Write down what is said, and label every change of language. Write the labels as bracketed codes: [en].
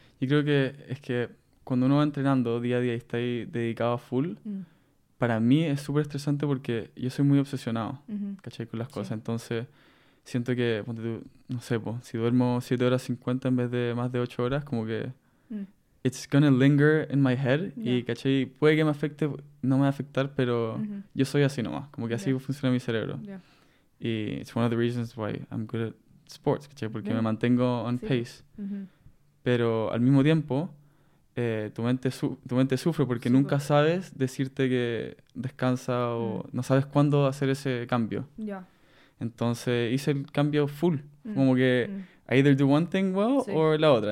[es] Yo creo que es que cuando uno va entrenando día a día y está ahí dedicado a full, para mí es súper estresante porque yo soy muy obsesionado, ¿cachai? Con las cosas. Sí. Entonces, siento que, ponte tú, no sé, po, si duermo 7 horas 50 en vez de más de 8 horas, como que [en] it's gonna linger in my head. [es] Y, ¿cachai? Puede que me afecte, no me va a afectar, pero yo soy así nomás. Como que así funciona mi cerebro. [en] Yeah. Y it's one of the reasons why I'm good at sports, ¿cachai? [es] Porque me mantengo [en] on pace. [es] Pero al mismo tiempo, tu mente sufre porque nunca sabes decirte que descansa o no sabes cuándo hacer ese cambio. Entonces hice el cambio full. Como que [en] I either do one thing well [es] or la otra.